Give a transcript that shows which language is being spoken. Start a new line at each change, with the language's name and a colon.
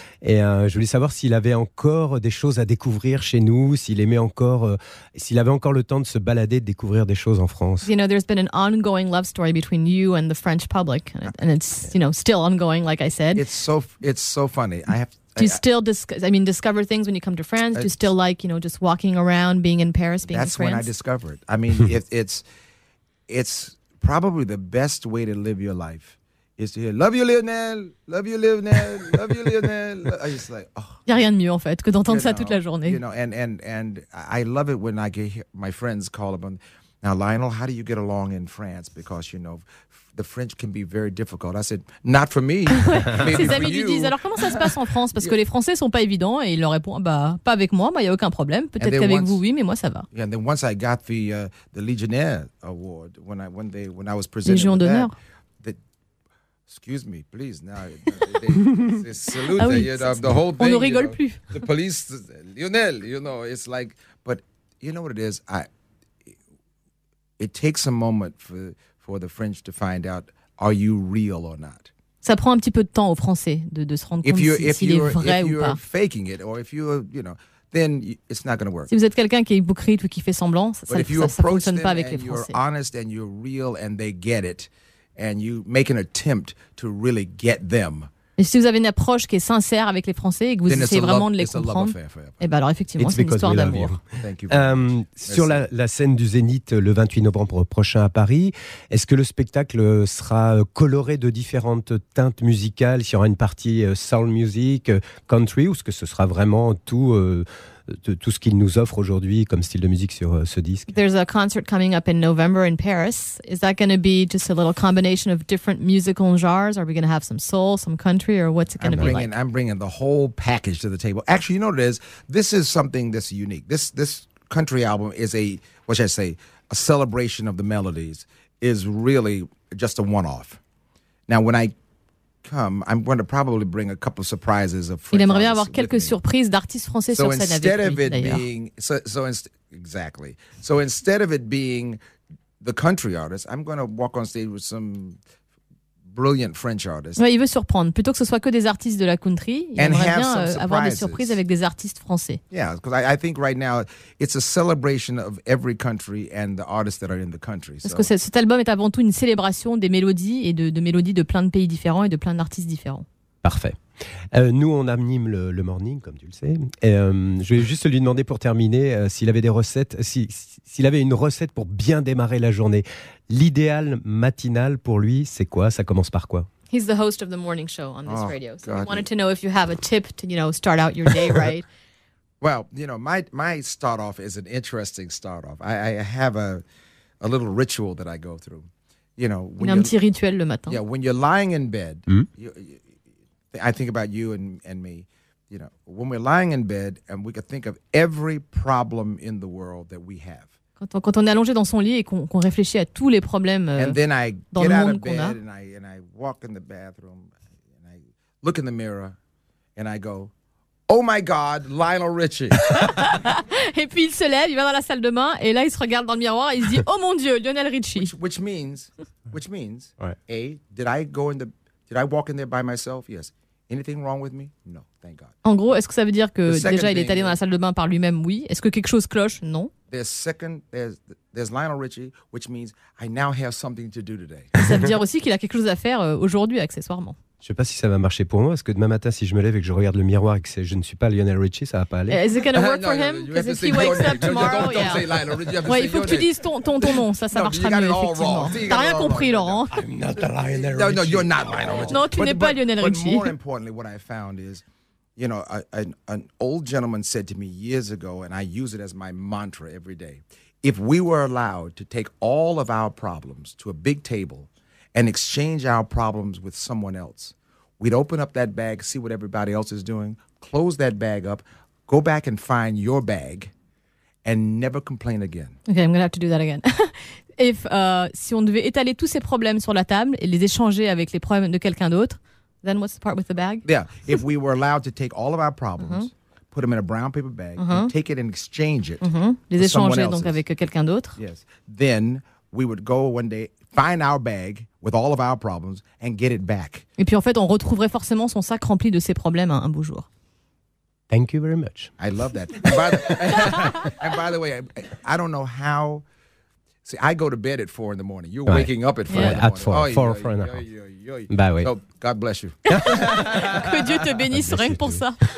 French: Et je voulais savoir s'il avait encore des choses à découvrir chez nous, s'il avait encore le temps de se balader, de découvrir des choses en France.
English: You know, there's been an ongoing love story between you and the French public, and it's, you know, still ongoing, like I said. It's so funny. Do you still discover things when you come to France? Do you still like, you know, just walking around, being in Paris, being in France? That's when I discovered. I mean, it's probably the best way to live your life is to hear, love you, Lionel, love you, Lionel, love you, Lionel. I just like, oh.
French: Il n'y a rien de mieux, en fait, que d'entendre ça toute la journée.
English: You know, and I love it when I get my friends call up and, now, Lionel, how do you get along in France? Because, you know, the French can be very difficult. I said, not for me.
French: Ses amis lui disent, alors comment ça se passe en France? Parce que les Français sont pas évidents. Et il leur répond, bah, pas avec moi, bah, y a aucun problème. Peut-être qu'avec vous, oui, mais moi, ça va.
English: Yeah, and then once I got the Legionnaire Award, when I was presented
French: Légion d'honneur.
English: Excuse me, please. Now they salute
French: ah oui,
English: you know, the whole thing.
French: On ne rigole
English: you know,
French: plus.
English: The police, Lionel, you know, it's like, but you know what it is? It takes a moment for the French to find out, are you real or not?
French: Ça prend un petit peu de temps aux Français de se rendre compte s'il est vrai ou pas.
English: If you're faking it, or if you're, you know, then it's not going to work.
French: Si vous êtes quelqu'un qui est hypocrite ou qui fait semblant, ça ne fonctionne pas avec les Français.
English: But if you're honest and you're real and they get it, and you make an attempt to really get them.
French: Et si vous avez une approche qui est sincère avec les Français et que vous
English: then
French: essayez vraiment de les comprendre, et ben alors effectivement, c'est une histoire d'amour.
English: Thank you
French: sur la scène du Zénith le 28 novembre prochain à Paris, est-ce que le spectacle sera coloré de différentes teintes musicales? S'il y aura une partie soul music, country, ou est-ce que ce sera vraiment tout tout ce qu'il nous offre aujourd'hui comme style de musique sur ce disque?
English: There's a concert coming up in November in Paris. Is that going to be just a little combination of different musical genres? Are we going to have some soul, some country, or what's it going to be like? I'm bringing the whole package to the table. Actually, you know what it is? This is something that's unique. This country album is a, what should I say, a celebration of the melodies, is really just a one-off. Now, when I come, I'm going to probably bring a couple of surprises of French.
French: Il aimerait bien avoir quelques surprises d'artistes français sur scène avec lui, d'ailleurs.
English: So instead of it being, exactly. So instead of it being the country artist, I'm going to walk on stage with some brilliant French artists.
French: Ouais, il veut surprendre. Plutôt que ce soit que des artistes de la country, il
English: and
French: aimerait bien avoir des surprises avec des artistes français.
English: Yeah, because I think right now it's a celebration of every country and the artists that are in the country.
French: Parce que cet album est avant tout une célébration des mélodies et de mélodies de plein de pays différents et de plein d'artistes différents. Parfait. Nous, on anime le morning, comme tu le sais. Et, je vais juste lui demander pour terminer s'il avait des recettes, s'il avait une recette pour bien démarrer la journée. L'idéal matinal pour lui, c'est quoi? Ça commence par quoi?
English: He's the host of the morning show on this radio. So God. I wanted to know if you have a tip to, you know, start out your day right. Well, you know, my start off is an interesting start off. I have a little ritual that I go through. You know, when
French: un petit rituel le matin.
English: Yeah, when you're lying in bed, I think about you and me. You know, when we're lying in bed and we can think of every problem in the world that we have.
French: Quand on est allongé dans son lit et qu'on réfléchit à tous les problèmes dans le monde qu'on a.
English: And I walk in the bathroom and I look in the mirror and I go, oh my God, Lionel Richie.
French: Et puis il se lève, il va dans la salle de bain et là il se regarde dans le miroir et il se dit, oh mon Dieu, Lionel Richie.
English: Which means, right. Did I walk in there by myself? Yes. Anything wrong with me? No, thank God.
French: En gros, est-ce que ça veut dire que déjà il est allé dans la salle de bain par lui-même? Oui. Est-ce que quelque chose cloche? Non.
English: There's Lionel Richie, which means I now have something to do today.
French: Ça veut dire aussi qu'il a quelque chose à faire aujourd'hui, accessoirement. Je sais pas si ça va marcher pour moi, parce que demain matin, si je me lève et que je regarde le miroir et que je ne suis pas Lionel Richie, ça va pas aller.
English: Is it gonna work for him? Because if he wakes up tomorrow,
French: Ouais, il faut que tu dises ton nom, ça marchera mieux, effectivement. T'as rien compris, Laurent.
English: I'm not Lionel Richie. No, you're not Lionel Richie.
French: Non, tu n'es pas Lionel Richie.
English: But more importantly, what I found is, you know, an old gentleman said to me years ago, and I use it as my mantra every day. If we were allowed to take all of our problems to a big table and exchange our problems with someone else, we'd open up that bag, see what everybody else is doing, close that bag up, go back and find your bag, and never complain again. Okay, I'm going to have to do that again. If,
French: si on devait étaler tous ces problèmes sur la table et les échanger avec les problèmes de quelqu'un d'autre,
English: then what's the part with the bag? Yeah, if we were allowed to take all of our problems, mm-hmm. put them in a brown paper bag, mm-hmm. and take it and exchange it, mm-hmm.
French: les échanger donc avec quelqu'un d'autre,
English: yes, then we would go one day, find our bag with all of our problems and get it back.
French: Et puis en fait, on retrouverait forcément son sac rempli de ses problèmes un beau jour.
English: Thank you very much. I love that. And by the, and by the way, I don't know how... See, I go to bed at 4 in the morning. You're waking up at 4 in the morning. At 4, oh, 4, 4 and a half.
French: Bah oui.
English: So, God bless you.
French: Que Dieu te bénisse rien que pour ça.